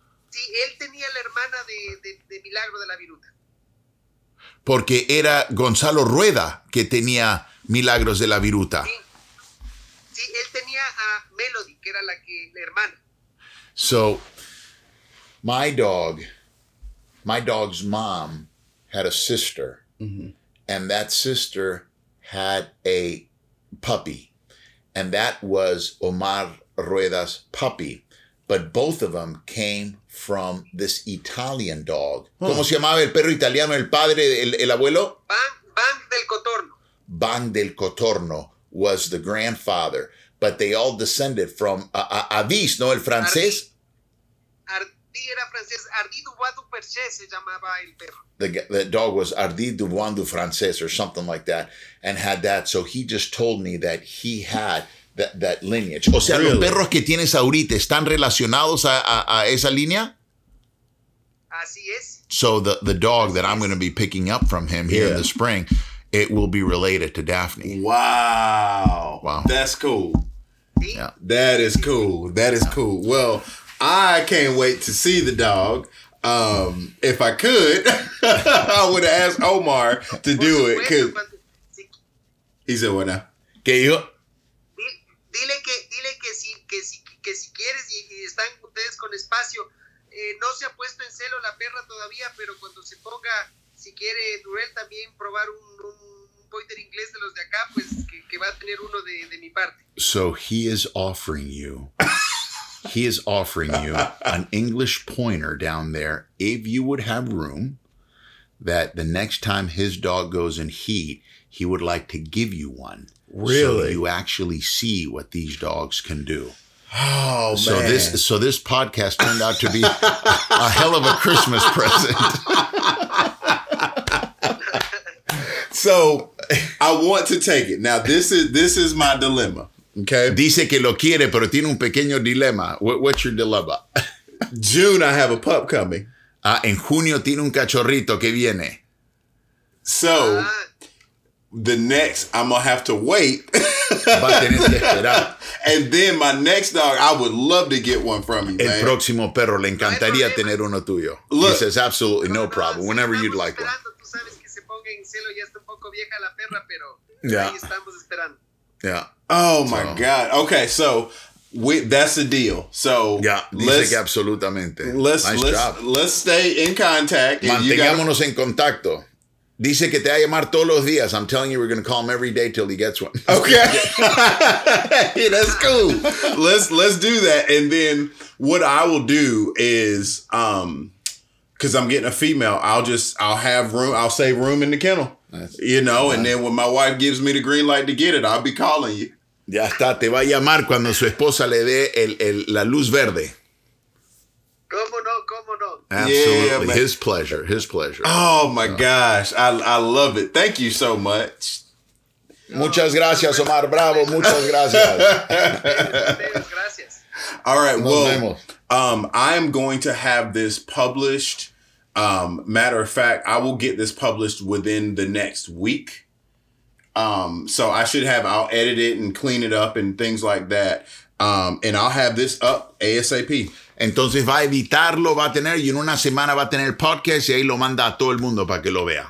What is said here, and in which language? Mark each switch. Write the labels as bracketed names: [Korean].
[Spanish] Sí, él tenía la hermana de Milagro de la Viruta. Porque era Gonzalo Rueda que tenía Milagros de la Viruta. Sí, él tenía a Melody, que era la hermana. [English] So, my dog... My dog's mom had a sister, and that sister had a puppy, and that was Omar Rueda's puppy. But both of them came from this Italian dog. Huh. [Spanish] ¿Cómo se llamaba el perro italiano, el padre, el abuelo? Bang del Cotorno. [English] Bang del Cotorno was the grandfather, but they all descended from Avis, ¿no? [Spanish] El francés. Sí, era francés. Ardi du Bois du Perche se llamaba el perro. [English] The dog was Ardi du Bois du Frances or something like that, and had that. So he just told me that he had that lineage. [Spanish] O sea, [English] really? [Spanish] ¿Los perros que tienes ahorita están relacionados a esa línea? Así es. [English] So the dog that I'm going to be picking up from him here in the spring, it will be related to Daphne. Wow. That's cool. ¿Sí? Yeah. That is cool. Well, I can't wait to see the dog. If I could, I would ask Omar to do it. He said what now? [Spanish] ¿Qué dijo? Dile que si quieres y están ustedes con espacio, no se ha puesto en celo la perra todavía, pero cuando se ponga, si quiere Durell también probar un pointer inglés de los de acá, pues que va a tener uno de mi parte. [English] So he is offering you... He is offering you an English pointer down there if you would have room, that the next time his dog goes in heat, he would like to give you one. Really? So you actually see what these dogs can do. Oh, so man. So this podcast turned out to be a hell of a Christmas present. So I want to take it. Now, this is my dilemma. Okay. [Spanish] Dice que lo quiere, pero tiene un pequeño dilema. [English] What's your dilemma? June, I have a pup coming. [Spanish] En junio tiene un cachorrito que viene. [English] So, the next, I'm going to have to wait. [Spanish] Va a tener que esperar. [English] And then my next dog, I would love to get one from you, el man. [Spanish] El próximo perro, le encantaría tener uno tuyo. [English] Look, he says, absolutely, no problem. Whenever you'd like [Spanish] esperando. [English] One. [Spanish] Tú sabes que se ponga en celo, ya está un poco vieja la perra, pero ahí estamos esperando. [English] Yeah. Oh my God. Okay, so that's the deal. So [Spanish] yeah, dice que absolutamente. [English] Let's stay in contact. [Spanish] Mantengámonos en contacto. Dice que te va a llamar todos los días. [English] I'm telling you, we're gonna call him every day till he gets one. Okay. Hey, that's cool. Let's do that. And then what I will do is, because I'm getting a female, I'll save room in the kennel. You know, and then when my wife gives me the green light to get it, I'll be calling you. [Spanish] Ya está, te va a llamar cuando su esposa le dé la luz verde. Cómo no. [English] Absolutely, yeah, his pleasure. Oh my gosh, I love it. Thank you so much. [Spanish] Muchas gracias, Omar. Bravo, muchas gracias. [English] All right, I am going to have this published. Matter of fact, I will get this published within the next week. So I should have, I'll edit it and clean it up and things like that. And I'll have this up ASAP. [Spanish] Entonces va a editarlo, va a tener, y en una semana va a tener el podcast y ahí lo manda a todo el mundo para que lo vea.